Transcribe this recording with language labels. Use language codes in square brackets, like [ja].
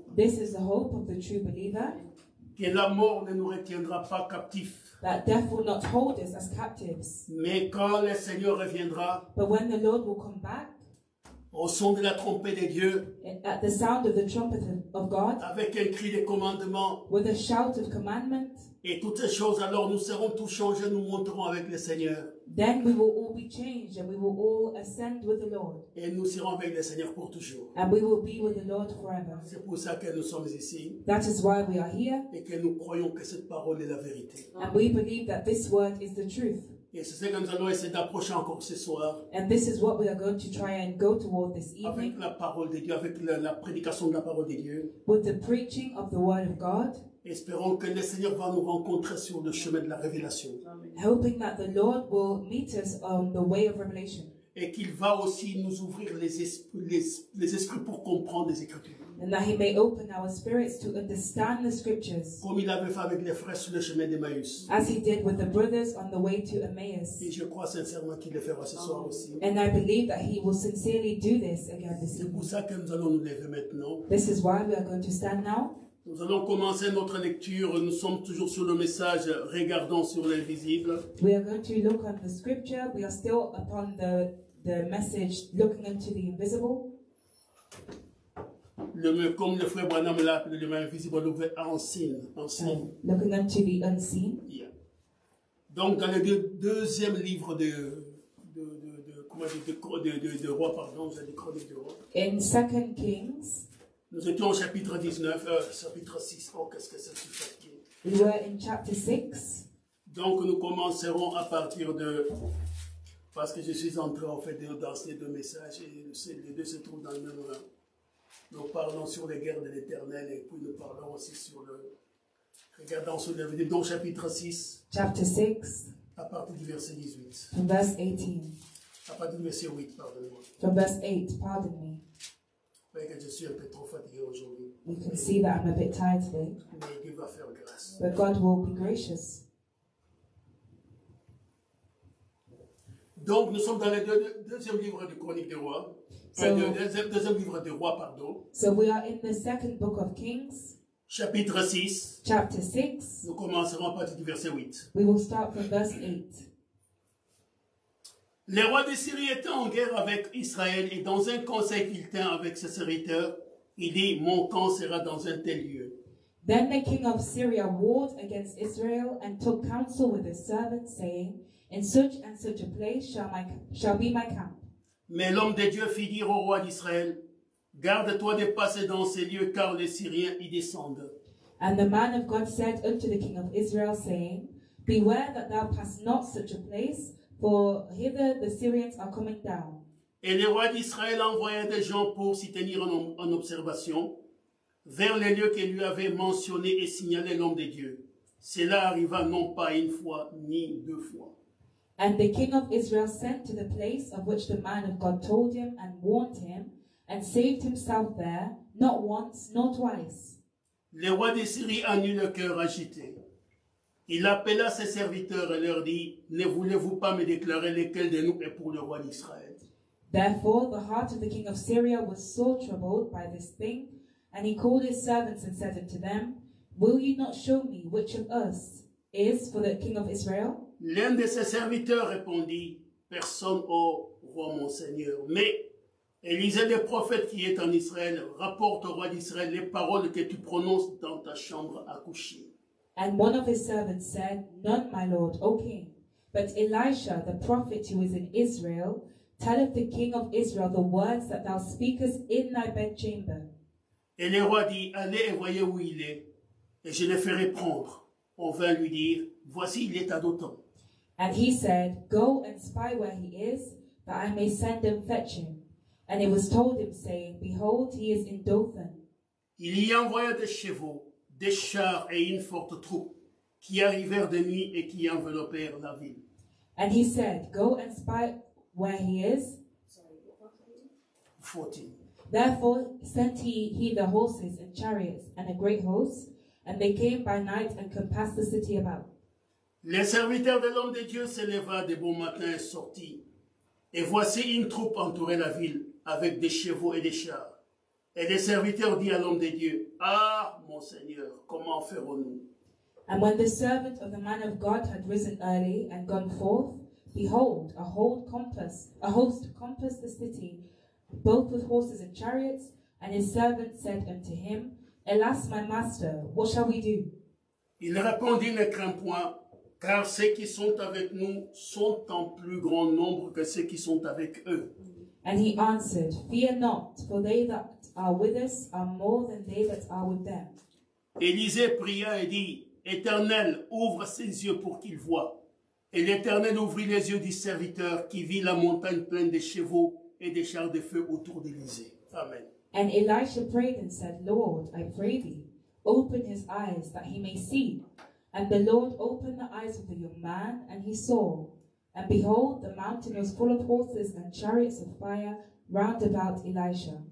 [en] This is the hope of the true believer. [fr] Que la mort ne nous retiendra pas captifs. [en] That death will not hold us as captives. [fr] Mais quand le Seigneur reviendra, [en] but when the Lord will come back, [fr] au son de la trompette de Dieu, [en] at the sound of the trumpet of God, [fr] avec un cri de commandement, [en] with a shout of commandment, [fr] et toutes ces choses, alors nous serons tous changés, nous monterons avec le Seigneur. [en] Then we will all be changed and we will all ascend with the Lord. [fr] Et nous serons avec le Seigneur pour toujours. [en] And we will be with the Lord forever. [fr] C'est pour ça que nous sommes ici. [en] That is why we are here. [fr] Et que nous croyons que cette parole est la vérité. [en] And we believe that this word is the truth. [fr] Et c'est ce que nous allons essayer d'approcher encore ce soir. [en] And this is what we are going to try and go toward this evening. [fr] Avec la parole de Dieu, avec la prédication de la parole de Dieu. [en] With the preaching of the word of God. [fr] Espérons que le Seigneur va nous rencontrer sur le chemin de la révélation. [en] Hoping that the Lord will meet us on the way of revelation. [fr] Et qu'il va aussi nous ouvrir les esprits pour comprendre les Écritures. [en] And that he may open our spirits to understand the scriptures. [fr] Comme il avait fait avec les frères sur le chemin d'Emmaüs. [en] As he did with the brothers on the way to Emmaus. [fr] Et je crois sincèrement qu'il le fera ce soir aussi. [en] And I believe that he will sincerely do this again this evening. [fr] C'est pour ça que nous allons nous lever maintenant. [en] This is why we are going to stand now. [fr] Nous allons commencer notre lecture. Nous sommes toujours sur le message regardant sur l'invisible. [en] We are going to look at the scripture. We are still upon the message looking into the invisible. [fr] Comme le frère Branham l'a appelé, le invisible, le verbe ensemble. [en] Looking into the unseen. Yeah. [fr] Donc dans le deuxième livre de Chroniques du Roi. [en] In Second Kings. [fr] Nous étions au chapitre 19, chapitre 6. Oh, qu'est-ce que ça se fait? [en] We were in chapter 6. [fr] Donc nous commencerons à partir de... Parce que je suis en train en fait dans ces deux messages et les deux se trouvent dans le même... Nous parlons sur les guerres de l'Éternel et puis nous parlons aussi sur le... Regardons sur l'avenir. Donc chapitre 6. [en] Chapter 6. [fr] À partir du verset 18. [en] From verse 18. [fr] À partir du verset 8, pardonnez-moi. [en] From verse 8, pardon me. [fr] Que je suis un peu trop fatigué aujourd'hui. [en] You can see that I'm a bit tired today. [fr] Mais Dieu va faire grâce. [en] But God will be gracious. [fr] Donc nous sommes dans le deuxième livre de Chroniques des Rois. Deuxième livre des Rois. [en] So we are in the second book of Kings. [fr] Chapitre 6. [en] Chapter 6. [fr] Nous commencerons à partir du verset 8. [en] We will start from verse 8. [fr] Les rois de Syrie étaient en guerre avec Israël et dans un conseil qu'il tint avec ses serviteurs, il dit, mon camp sera dans un tel lieu. [en] Then the king of Syria warred against Israel and took counsel with his servants, saying, in such and such a place shall be my camp. [fr] Mais l'homme de Dieu fit dire au roi d'Israël, garde-toi de passer dans ces lieux car les Syriens y descendent. [en] And the man of God said unto the king of Israel, saying, beware that thou pass not such a place, for hither the Syrians are coming down. [fr] Et le roi d'Israël envoya des gens pour s'y tenir en observation vers les lieux qu'il lui avait mentionné et signalé l'homme de Dieu. Cela arriva non pas une fois ni deux fois. [en] And the king of Israel sent to the place of which the man of God told him and warned him and saved himself there not once nor twice. [fr] Le roi de Syrie en eut le cœur agité. Il appela ses serviteurs et leur dit, ne voulez-vous pas me déclarer lequel de nous est pour le roi d'Israël? [en] Therefore, the heart of the king of Syria was sore troubled by this thing, and he called his servants and said unto them, will you not show me which of us is for the king of Israel? [fr] L'un de ses serviteurs répondit, personne, ô roi mon seigneur, mais Élisée le prophète qui est en Israël rapporte au roi d'Israël les paroles que tu prononces dans ta chambre à coucher. [en] And one of his servants said, none, my lord, O king. But Elisha, the prophet who is in Israel, telleth the king of Israel the words that thou speakest in thy bedchamber. [fr] Et le roi dit, allez et voyez où il est, et je le ferai prendre. On vint lui dire, voici, il est à Dothan. [en] And he said, go and spy where he is, that I may send and fetch him. And it was told him, saying, behold, he is in Dothan. [fr] Il y envoya des chevaux, des chars et une forte troupe qui arrivèrent de nuit et qui enveloppèrent la ville. [en] And he said, go and spy where he is. Therefore sent he the horses and chariots and a great host, and they came by night and compassed the city about. [fr] Le serviteur de l'homme de Dieu s'éleva de bon matin et sortit. Et voici une troupe entourait la ville avec des chevaux et des chars. Et le serviteur dit à l'homme de Dieu, ah, mon Seigneur, comment ferons-nous? [en] And when the servant of the man of God had risen early and gone forth, behold, a host compassed the city, both with horses and chariots, and his servant said unto him, alas, my master, what shall we do? [fr] Il répondit, ne crains point, car ceux qui sont avec nous sont en plus grand nombre que ceux qui sont avec eux. [en] And he answered, fear not, for they that are with us are more than they that are with them. [fr] Élisée pria et dit, Éternel, ouvre ses yeux pour qu'il voie. Et l'Éternel ouvrit les yeux du serviteur qui vit la montagne pleine de chevaux et des chars de feu autour d'Élisée. [en] Amen. And Elisha prayed and said, Lord, I pray thee, open his eyes that he may see. And the Lord opened the eyes of the young man, and he saw. And behold, the mountain was full of horses and chariots of fire round about Elisha.